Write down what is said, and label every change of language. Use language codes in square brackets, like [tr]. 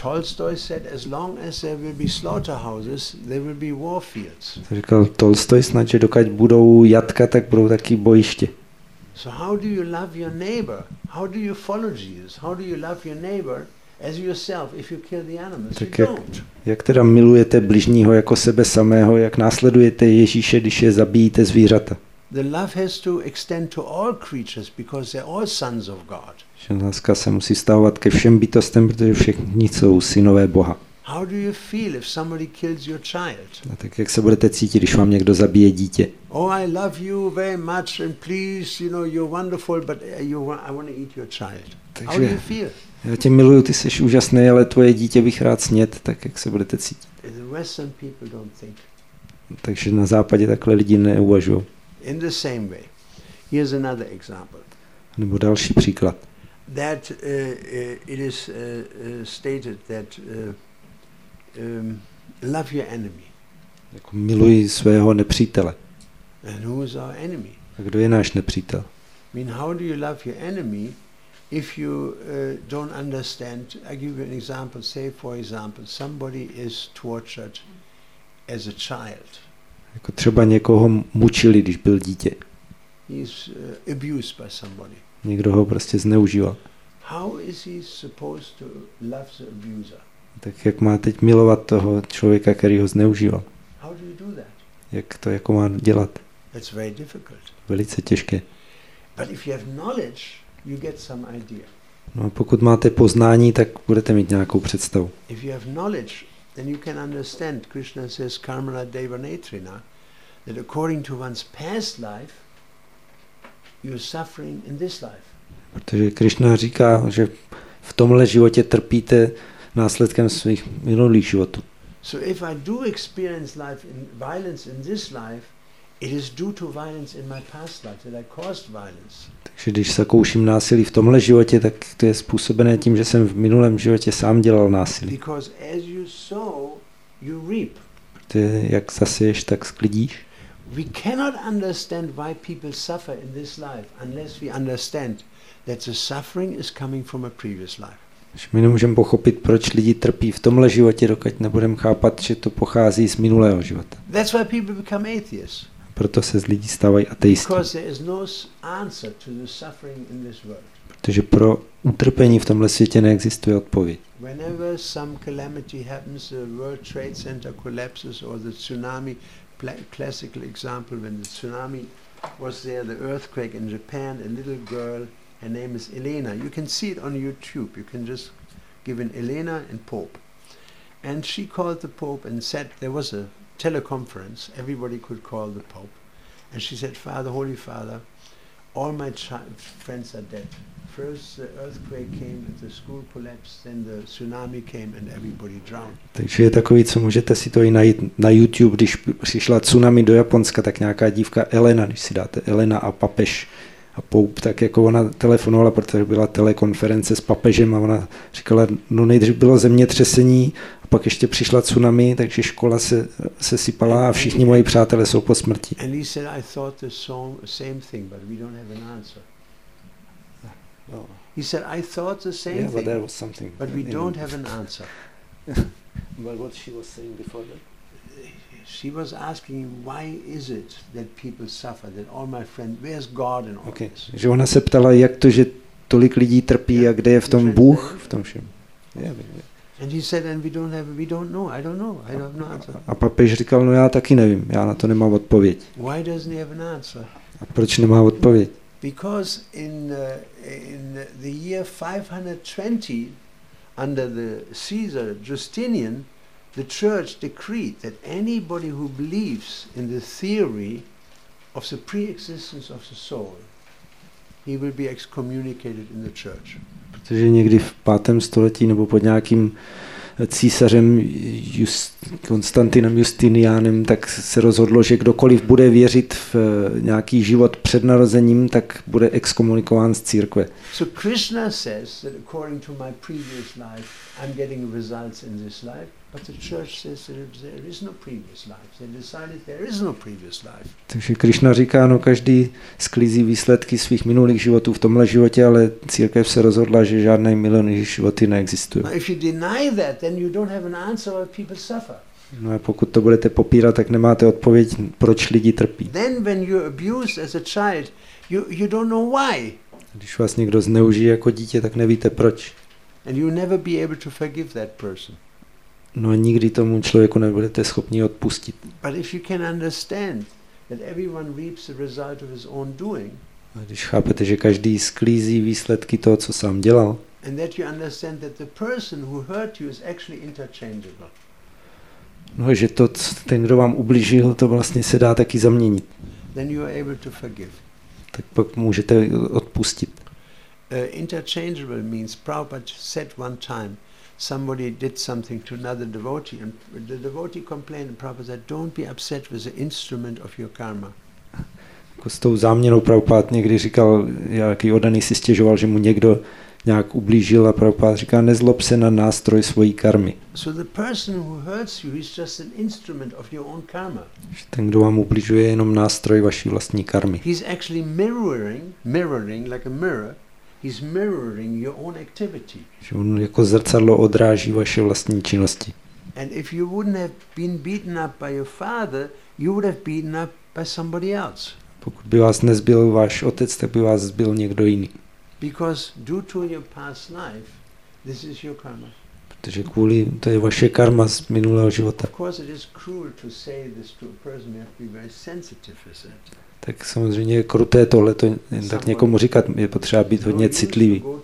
[en] Tolstoy said, as long as there will be slaughterhouses, there will be war fields. [cs] Říkal Tolstoj snad, že dokud budou jatka, tak budou taky bojiště. [en] So how do you love your neighbor? How do you follow Jesus? How do you love your neighbor as yourself if you kill the animals? [cs] Tak jak teda milujete bližního jako sebe samého, jak následujete Ježíše, když je zabijíte zvířata? [en] The love has to extend to all creatures because they're all sons of God. [cs] Láska se musí stavovat ke všem bytostem, protože všichni jsou synové Boha. [en] How do you feel if somebody kills your child? [cs] A tak jak se budete cítit, když vám někdo zabije dítě? [en] Oh, I love you very much and please, you know, you're wonderful, but I want to eat your child. [cs] Takže [en] how do you feel? [cs] Já tě miluju, ty jsi úžasný, ale tvoje dítě bych rád snět, tak jak se budete cítit? [en] The Western people don't think. [cs] Takže na západě takhle lidi neuvažují. [en] In the same way. Here's another example. [cs] Nebo další příklad. [en] That it is stated that love your enemy. [cs] Jako miluj svého nepřítele. [en] And who is our enemy? [cs] A kdo je náš nepřítel? [en] I mean, how do you love your enemy if you don't understand, I give you an example. Say, for example, somebody is tortured as a child. [cs] Jako třeba někoho mučili, když byl dítě. [en] He's abused by somebody. [cs] Někdo ho prostě zneužíval. [en] How is he supposed to love the abuser? [cs] Tak jak má teď milovat toho člověka, který ho zneužíval? [en] How do you do that? [cs] Jak to jako má dělat? [en] It's very difficult. [cs] Velice těžké. [en] But if you have knowledge, you get some idea. [cs] No a pokud máte poznání, tak budete mít nějakou představu. [en] If you have knowledge, then you can understand. Krishna says karma deva netrina, that according to one's past life, you are suffering in this life. [cs] Protože Krishna říká, že v tomhle životě trpíte následkem svých minulých životů. [en] So if I do experience life in violence in this life, it is due to violence in my past life that I caused violence. [cs] Takže když zakouším násilí v tomhle životě, tak to je způsobené tím, že jsem v minulém životě sám dělal násilí. [en] Because as you sow, you reap. [cs] Protože jak zaseješ, tak sklidíš. [en] We cannot understand why people suffer in this life unless we understand that the suffering is coming from a previous life. [cs] My nemůžeme pochopit, proč lidi trpí v tomhle životě, dokud nebudeme chápat, že to pochází z minulého života. [en] That's why people become atheists. [cs] Proto se z lidí stávají ateisty. [en] Because there is no answer to the suffering in this world. [cs] Protože pro utrpení v tomhle světě neexistuje odpověď. [en] Whenever some calamity happens, the World Trade Center collapses or the tsunami, classical example, when the tsunami was there, the earthquake in Japan, a little girl, her name is Elena. You can see it on YouTube. You can just give in Elena and Pope. And she called the Pope and said, there was a teleconference, everybody could call the Pope. And she said, Father, Holy Father, all my friends are dead. First the earthquake came and the school collapsed, then the tsunami came and everybody drowned. [cs] Takže je takový, co můžete si to i najít na YouTube, když přišla tsunami do Japonska, tak nějaká dívka Elena, když si dáte Elena a papež a poup, tak jako ona telefonovala, protože byla telekonference s papežem a ona říkala, no nejdřív bylo zemětřesení a pak ještě přišla tsunami, takže škola se sypala a všichni moji přátelé jsou po smrti. [en] And he said, I thought the same thing, but we don't have an answer. He said, I thought the same thing, but there was something, but we don't have an answer. But what she was saying before that? She was asking, why is it that people suffer, that all my friends, where's God in all okay. this? [cs] Že ona se ptala, jak to, že tolik lidí trpí a kde je v tom Bůh v tom všem. [en] And he said, and we don't know, I don't know, I don't have an answer. [cs] A papež říkal, no já taky nevím, já na to nemám odpověď. [en] Why doesn't he have an answer? [cs] A proč nemá odpověď? [en] Because in the year 520, under the Caesar Justinian, the church decreed that anybody who believes in the theory of the pre-existence of the soul, he will be excommunicated in the church. [cs] Protože někdy v 5. století nebo pod nějakým císařem Konstantinem Justinianem, tak se rozhodlo, že kdokoliv bude věřit v nějaký život před narozením, tak bude exkomunikován z církve. [en] So Krishna says that according to my previous life, I'm getting results in this life. But the church says that there is no previous life. They decided there is no previous life. [cs] Takže Krishna říká, no každý sklízí výsledky svých minulých životů v tomhle životě, ale církev se rozhodla, že žádné minulé životy neexistují. [en] If you deny that, then you don't have an answer why people suffer. [cs] No a pokud to budete popírat, tak nemáte odpověď, proč lidi trpí. [en] Then when you're abused as a child, you don't know why. [cs] Když vás někdo zneužije jako dítě, tak nevíte proč. [en] And you'll never be able to forgive that person. [cs] No a nikdy tomu člověku nebudete schopni odpustit. [en] But if you can understand that everyone reaps the result of his own doing. [cs] A když chápete, že každý sklízí výsledky toho, co sám dělal. [en] And that you understand that the person who hurt you is actually interchangeable. [cs] No a že to, ten, kdo vám ublížil, to vlastně se dá taky zaměnit. [en] Then you are able to forgive. [cs] Tak pak můžete odpustit. [en] Interchangeable means Prabhupada said one time, somebody did something to another devotee and the devotee complained and Prabhupada said, don't be upset with the instrument of your karma. [cs] S tou záměnou Prabhupada někdy říkal, jaký oddaný si stěžoval, že mu někdo nějak ublížil a Prabhupada říká, nezlob se na nástroj svojí karmy. [en] So the person who hurts you is just an instrument of your own karma. [cs] Ten, kdo vám ublížuje, je jenom nástroj vaší vlastní karmy. [en] He's actually mirroring like a mirror, He's mirroring your own activity. [cs] Že on jako zrcadlo odráží vaše vlastní činnosti. [en] And if you wouldn't have been beaten up by your father, you would have beaten up by somebody else. [cs] Pokud by vás nezbil váš otec, tak by vás zbil někdo jiný. [en] Because due to your past life, this is your karma. [cs] Protože kvůli, to je vaše karma z minulého života. [en] Of course it is cruel to say this to a person, you have to be very sensitive, isn't it? [cs] Tak samozřejmě je kruté tohle to jen tak někomu říkat, je potřeba být hodně citlivý.